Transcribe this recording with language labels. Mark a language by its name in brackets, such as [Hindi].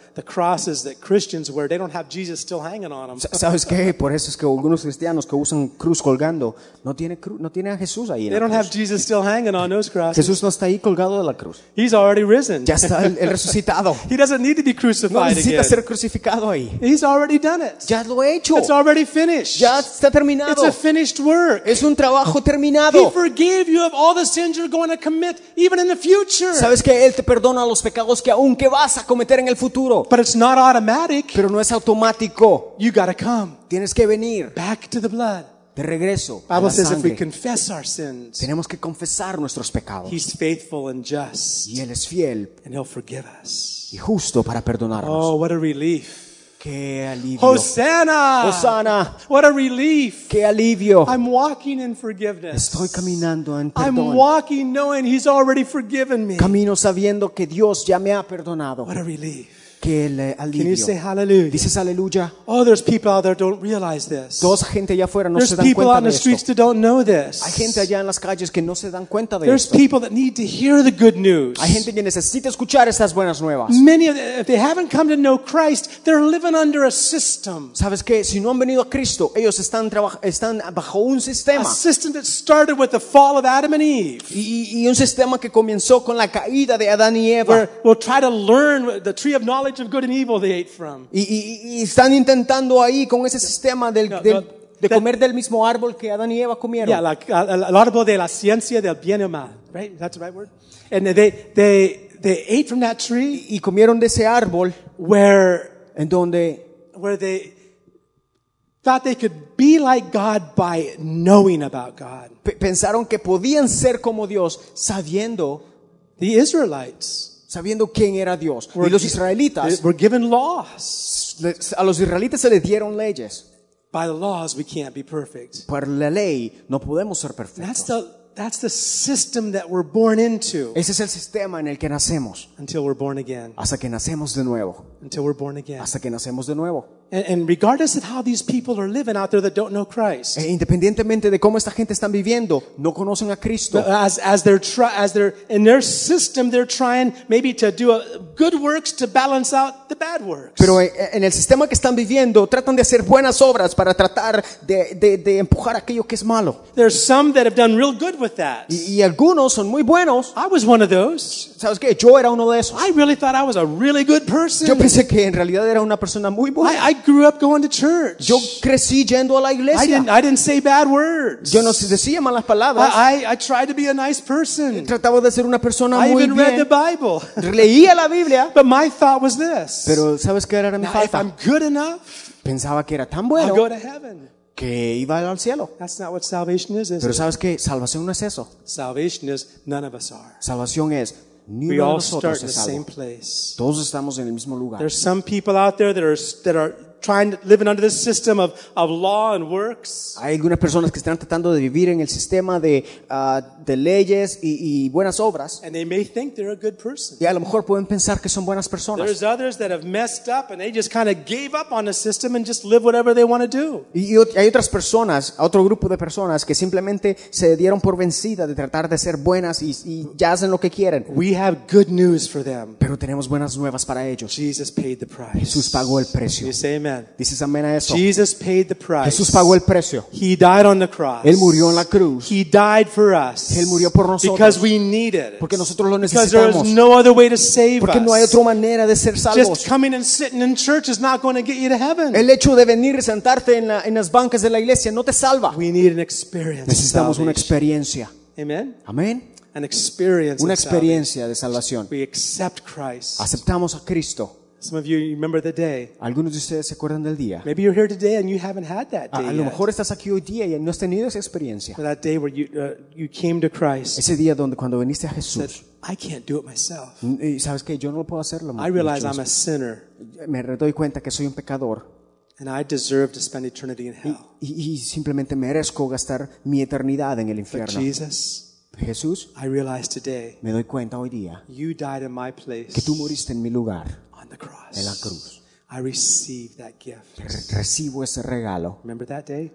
[English] The crosses that Christians wear, they don't have Jesus still hanging on them. [Spanish] ¿Sabes qué? Por eso es que algunos cristianos que usan cruz colgando, no tiene a Jesús ahí en la cruz. [English] They don't have Jesus still hanging on those crosses. [Spanish] Jesús no está ahí colgado de la cruz. [English] He's already risen. [Spanish] Ya está el resucitado. [English] He doesn't need to be crucified again. [Spanish] No necesita ser crucificado ahí. [English] He's already done it. [Spanish] Ya lo ha hecho. [English] It's already finished. [Spanish] Ya está terminado. [English] It's a finished work. [Spanish] Es un trabajo terminado. [English] He forgave you of all the sins you're going to commit even in the future. [Spanish] ¿Sabes qué? Él te perdona los pecados que aún que vas a cometer en el futuro. [English] But it's not automatic. [Spanish] Pero no es automático. [English] You gotta come. [Spanish] Tienes que venir. [English] Back to the blood. [Spanish] De regreso. [English] Bible says if we confess our sins. [Spanish] Tenemos que confesar nuestros pecados. [English] He's faithful and just. [Spanish] Y él es fiel. [English] And he'll forgive us. [Spanish] Y justo para perdonarnos. [English] Oh, what a relief. [Spanish] Qué alivio. [English] Hosanna. [Spanish] Hosanna. [English] What a relief. [Spanish] Qué alivio. [English] I'm walking in forgiveness. [Spanish] Estoy caminando en perdón. [English] I'm walking knowing he's already forgiven me. [Spanish] Camino sabiendo que Dios ya me ha perdonado. [English] What a relief. [Spanish] Qué alivio. [English] Can you say hallelujah? [Spanish] Dices aleluya. [English] Oh, there's people out there don't realize this. [Spanish] Dos gente allá afuera no [English] there's [Spanish] se dan cuenta de esto. [English] There's people on the streets that don't know this. [Spanish] Hay gente allá en las calles que no se dan cuenta de [English] there's [Spanish] esto. [English] There's people that need to hear the good news. [Spanish] Hay gente que necesita escuchar estas buenas nuevas. [English] Many of them, if they haven't come to know Christ, they're living under a system. [Spanish] ¿Sabes qué? Si no han venido a Cristo, ellos están bajo un sistema. [English] A system that started with the fall of Adam and Eve. [Spanish] Y un sistema que comenzó con la caída de Adán y Eva. [English] Where we'll try to learn the tree of knowledge of good and evil they ate from. [Spanish] Y están intentando ahí con ese sistema de comer del mismo árbol que Adán y Eva comieron. Yeah, el árbol de la ciencia del bien y mal, right? [English] That's the right word. And they ate from that tree. [Spanish] Y comieron de ese árbol [English] where they thought they could be like God by knowing about God. [Spanish] Pensaron que podían ser como Dios sabiendo [English] the Israelites. [Spanish] Sabiendo quién era Dios. Y los israelitas. [English] We're given laws. [Spanish] A los israelitas se les dieron leyes. [English] By the laws, we can't be perfect. [Spanish] Por la ley no podemos ser perfectos. [English] That's the system that we're born into. [Spanish] Ese es el sistema en el que nacemos. [English] Until we're born again. [Spanish] Hasta que nacemos de nuevo. [English] Until we're born again. [Spanish] Hasta que nacemos de nuevo. [English] And regardless of how these people are living out there that don't know Christ. [Spanish] E independientemente de cómo esta gente están viviendo, no conocen a Cristo. [English] As they're in their system, they're trying maybe to do good works to balance out the bad works. [Spanish] Pero en el sistema que están viviendo, tratan de hacer buenas obras para tratar de empujar aquello que es malo. [English] There are some that have done real good with that. [Spanish] Y algunos son muy buenos. [English] I was one of those. [Spanish] ¿Sabes qué? Yo era uno de esos. [English] I really thought I was a really good person. [Spanish] Yo pensé que en realidad era una persona muy buena. [English] I grew up going to church. [Spanish] Yo crecí yendo a la iglesia. [English] I didn't say bad words. [Spanish] Yo no decía malas palabras. [English] I tried to be a nice person. [Spanish] Trataba de ser una persona muy bien. [English] I even read the Bible. [Spanish] Leía la Biblia. [English] But my thought was this. [Spanish] Pero ¿sabes qué era mi [English] thought? If I'm good enough, [Spanish] pensaba que era tan bueno. [English] I'll go to heaven. [Spanish] Que iba al cielo. [English] That's not what salvation is. [Spanish] Pero ¿sabes qué? Salvación no es eso. [English] Salvation is none of us are. [Spanish] Salvación es ni [English] we all start in the same place. [Spanish] Todos estamos en el mismo lugar. [English] There's some people out there that are trying to live under this system of law and works. [Spanish] Hay algunas personas que están tratando de vivir en el sistema de leyes y buenas obras. [English] And they may think they're a good person. [Spanish] Y a lo mejor pueden pensar que son buenas personas. [English] There's others that have messed up and they just kind of gave up on the system and just live whatever they want to do. [Spanish] Y hay otras personas, otro grupo de personas que simplemente se dieron por vencida de tratar de ser buenas y ya hacen lo que quieren. [English] We have good news for them. [Spanish] Pero tenemos buenas nuevas para ellos. [English] Jesus paid the price. [Spanish] Jesús pagó el precio. [English] Amen. [Spanish] Dices amén a eso. [English] Jesus paid the price. [Spanish] Jesús pagó el precio. [English] He died on the cross. [Spanish] Él murió en la cruz. [English] He died for us. [Spanish] Él murió por nosotros. [English] Because we need it. [Spanish] Porque nosotros lo necesitamos. [English] Because there is no other way to save [Spanish] porque [English] us. [Spanish] No hay otra manera de ser salvos. [English] Just coming and sitting in church is not going to get you to heaven. [Spanish] El hecho de venir y sentarte en las bancas de la iglesia no te salva. [English] We need an experience. [Spanish] Necesitamos una experiencia. [English] Amen. [Spanish] Amén. [English] An experience. [Spanish] Una experiencia de salvación. [English] We accept Christ. [Spanish] Aceptamos a Cristo. [English] Some of you remember the day. [Spanish] Algunos de ustedes se acuerdan del día. [English] Maybe you're here today and you haven't had that day. [Spanish] A lo mejor estás aquí hoy día y no has tenido esa experiencia. [English] That day where you came to Christ. [Spanish] Ese día donde cuando viniste a Jesús. [English] I can't do it myself. [Spanish] Y sabes que yo no lo puedo hacerlo. [English] I realize I'm a sinner. [Spanish] Me doy cuenta que soy un pecador. [English] And I deserve to spend eternity in hell. [Spanish] Y simplemente merezco gastar mi eternidad en el infierno. [English] But Jesus, [Spanish] Jesús, [English] I realize today, [Spanish] me doy cuenta hoy día, [English] you died in my place, [Spanish] que tú moriste en mi lugar, [English] on the cross, [Spanish] en la cruz. [English] I receive that gift. [Spanish] Recibo ese regalo. [English] Remember that day?